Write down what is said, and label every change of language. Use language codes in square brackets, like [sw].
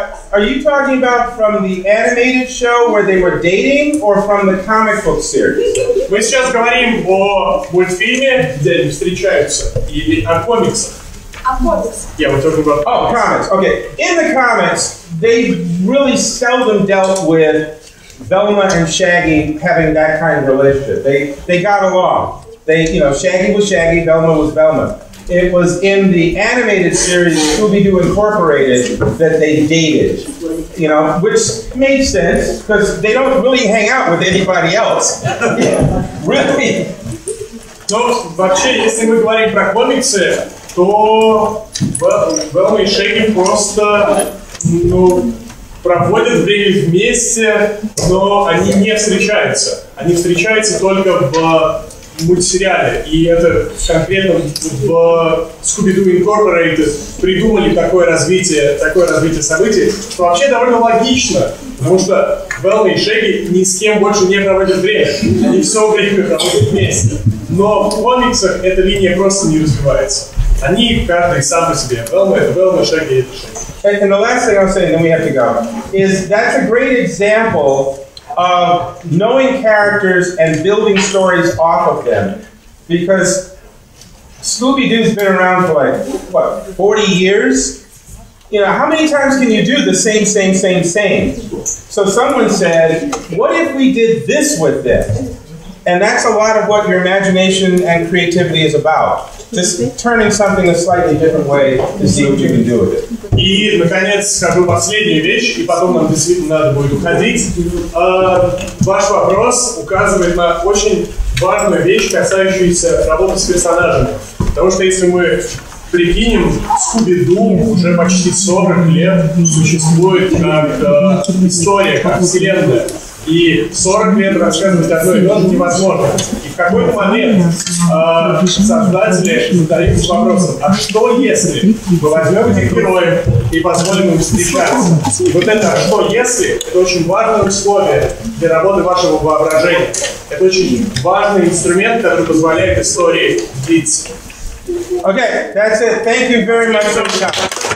[en] Are you talking about from the animated show where they were dating, or from the comic book series? [ru] Мы сейчас говорим о мультфильме, где они встречаются, или о комиксах. О комиксах. [en] Yeah, we're talking about comics. Oh, comics. Okay. In the comics, they really seldom dealt with Velma and Shaggy having that kind of relationship. They got along. They, you know, Shaggy was Shaggy, Velma was Velma. It was in the animated series Scooby-Doo Incorporated that they dated, you know, which made sense because they don't really hang out with anybody else. Really? [ru] Ну, вообще, если мы говорим про комиксы, то Велма и Шеги просто, ну, проводят время вместе, но они не встречаются. Они встречаются только в мультсериале, и это конкретно в Scooby-Doo Incorporated придумали такое развитие событий, что вообще довольно логично, Потому что Велла и Шеги ни с кем больше не проводят время. Они все время проводят вместе. Но в комиксах эта линия просто не развивается. Они каждый сам по себе. Велла — это Велла, Шеги — это Шеги. [en] And the last thing I'll say, then we have to go, is that's a great example of knowing characters and building stories off of them. Because Scooby-Doo's been around for like, what, 40 years? You know, how many times can you do the same, same, same, same? So someone said, what if we did this with this? And that's a lot of what your imagination and creativity is about. Just turning something a slightly different way to see what you can do with it. [ru] И, наконец, скажу последнюю вещь, и потом нам действительно надо будет уходить. Ваш вопрос указывает на очень важную вещь, касающуюся работы с персонажами. Потому что если мы прикинем, Scooby-Doo уже почти 40 лет существует как история, как вселенная. И 40 лет рассказывать одно и то же невозможно. И в какой-то момент создатели задаются вопросом, а что если мы возьмем этих героев и позволим им встречаться? И вот это «что если» — это очень важное условие для работы вашего воображения. Это очень важный инструмент, который позволяет истории длиться. [en] Okay, that's it. Thank you very much for coming.